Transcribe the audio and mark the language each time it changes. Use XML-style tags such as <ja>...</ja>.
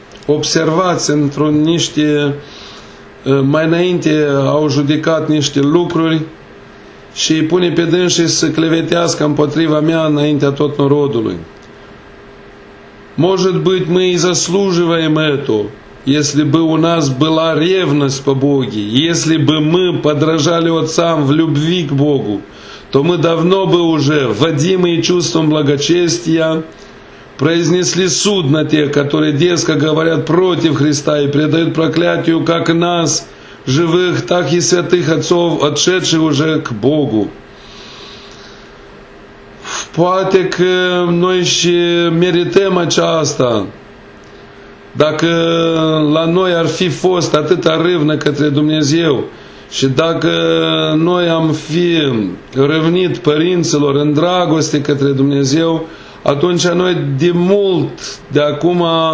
<ro>observați într-un niște, mai înainte au judecat niște lucruri și îi pune pe dânsii să clevetească împotriva mea înaintea tot norodului.</ro> <ru>Может быть, мы и заслуживаем это, если бы у нас была ревность по Боге, если бы мы подражали отцам в любви к Богу, то мы давно бы уже, водимые чувством благочестия, произнесли суд на тех, которые дерзко говорят против Христа и предают проклятию как нас, живых, так и святых отцов, отшедших уже к Богу.</ru> <ro>Poate că noi și merităm aceasta. Dacă la noi ar fi fost atâta râvnă către Dumnezeu și dacă noi am fi râvnit părinților în dragoste către Dumnezeu, atunci noi de mult, de acum,</ro>